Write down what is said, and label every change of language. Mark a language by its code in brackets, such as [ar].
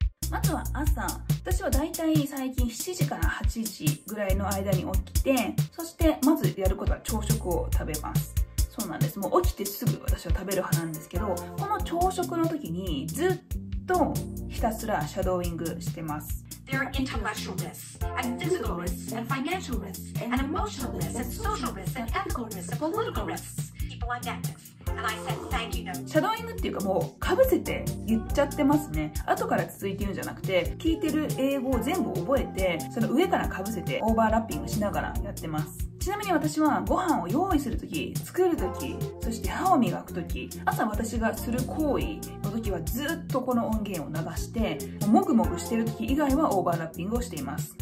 [ja] まずは朝、私はだいたい最近7時から8時ぐらいの間に起きて、そしてまずやることは朝食を食べます。そうなんです、もう起きてすぐ私は食べる派なんですけど、この朝食の時にずっとひたすらシャドーイングしてます。 [en] There are intellectual risks, and physical risks, and financial risks, and emotional risks, and social risks, and ethical risks, and political risks. People are nexus. [ja] シャドーイングっていうか、もうかぶせて言っちゃってますね。後から続いて言うんじゃなくて、聞いてる英語を全部覚えて、その上からかぶせてオーバーラッピングしながらやってます。ちなみに私はご飯を用意するとき、作るとき、そして歯を磨くとき、朝私がする行為のときはずっとこの音源を流して、もぐもぐしてるとき以外はオーバーラッピングをしています。